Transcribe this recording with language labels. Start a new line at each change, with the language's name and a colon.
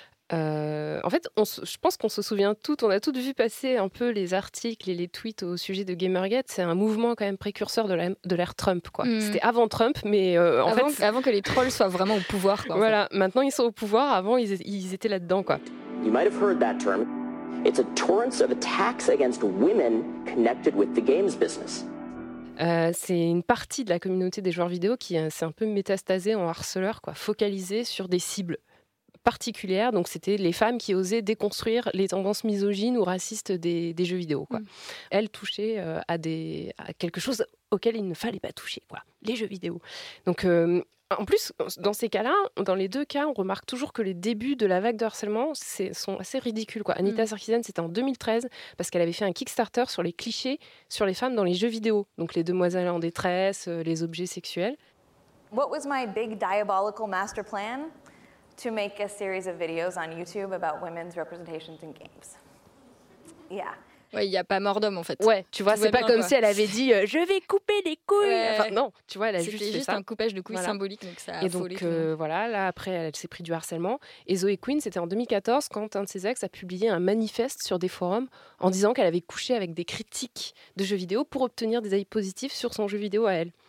French: En fait, je pense qu'on se souvient toutes, on a toutes vu passer un peu les articles et les tweets au sujet de Gamergate. C'est un mouvement quand même précurseur de l'ère Trump, quoi. Mmh. C'était avant Trump, mais avant que les trolls soient vraiment au pouvoir, quoi. Voilà, maintenant ils sont au pouvoir, avant ils étaient là-dedans, quoi.
English: You might have heard that term. It's a torrent of attacks against women connected with the games business.
French: C'est une partie de la communauté des joueurs vidéo qui s'est un peu métastasée en harceleurs, quoi, focalisée sur des cibles particulière, donc c'était les femmes qui osaient déconstruire les tendances misogynes ou racistes des jeux vidéo, quoi. Elles touchaient à quelque chose auquel il ne fallait pas toucher, quoi. Les jeux vidéo. Donc, en plus, dans ces cas-là, dans les deux cas, on remarque toujours que les débuts de la vague de harcèlement sont assez ridicules, quoi. Anita Sarkeesian, c'était en 2013, parce qu'elle avait fait un Kickstarter sur les clichés sur les femmes dans les jeux vidéo. Donc les demoiselles en détresse, les objets sexuels.
English: What was my big diabolical master plan? To make a series of videos on YouTube about women's representations in games. Yeah.
French: Ouais, il y a pas mort d'homme en fait. Ouais, tu vois, c'est pas comme si elle avait dit je vais couper les couilles. Ouais. Enfin non, tu vois, elle a juste fait ça. C'était juste un coupage de couilles symbolique, donc ça a Et donc voilà, là après elle s'est pris du harcèlement. Et Zoé Quinn, c'était en 2014 quand un de ses ex a publié un manifeste sur des forums en disant qu'elle avait couché avec des critiques de jeux vidéo pour obtenir des avis positifs sur son jeu vidéo à elle.